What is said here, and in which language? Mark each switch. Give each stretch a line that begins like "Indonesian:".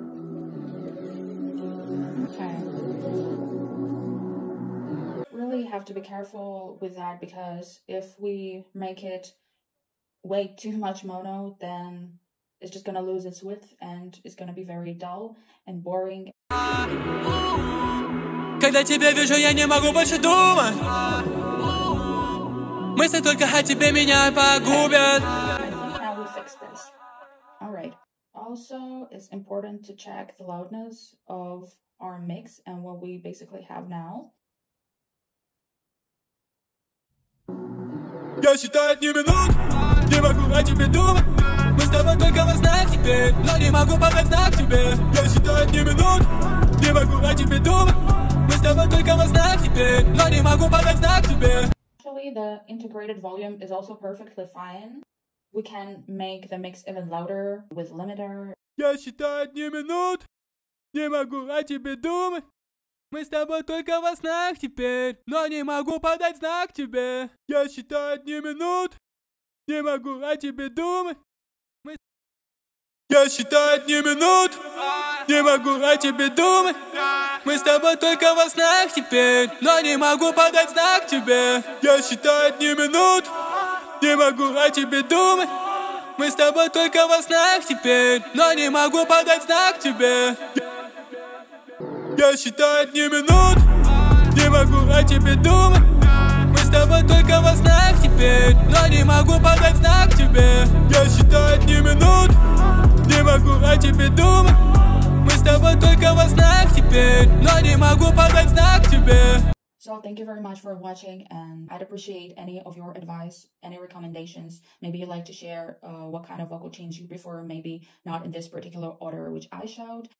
English: Okay. Really have to be careful with that, because if we make it way too much mono, then it's just gonna lose its width and it's gonna be very dull and boring.
Russian: Когда тебя вижу, я не могу больше думать. Мысли только о тебе меня погубят.
English: Now we fix this. All right. Also, it's important to check the loudness of our mix and what we basically have now.
Russian: Я считаю дни минут, не могу о тебе думать. Мы с тобой только во снах теперь, но не могу подать знак тебе. Я считаю дни минут, не могу о тебе думать.
English: Actually, the integrated volume is also perfectly fine. We can make the mix even louder with limiter.
Russian: Я считаю одни минут, не могу о тебе думать. Мы с тобой только во снах теперь, но не могу подать знак тебе. Я считаю одни минут, не могу о тебе думать. Я считаю одни минут, не могу о тебе думать. Мы с тобой только во снах теперь, но не могу подать знак тебе. Я считаю дни минут, не могу о тебе думать. Мы с тобой только во снах теперь, но не могу подать знак тебе. Я считаю дни минут, не могу о тебе думать. Мы с тобой только во снах теперь, но не могу подать знак тебе. Я считаю дни минут, не могу о тебе думать.
English: So thank you very much for watching, and I'd appreciate any of your advice, any recommendations. Maybe you'd like to share what kind of vocal change you prefer, maybe not in this particular order which I showed.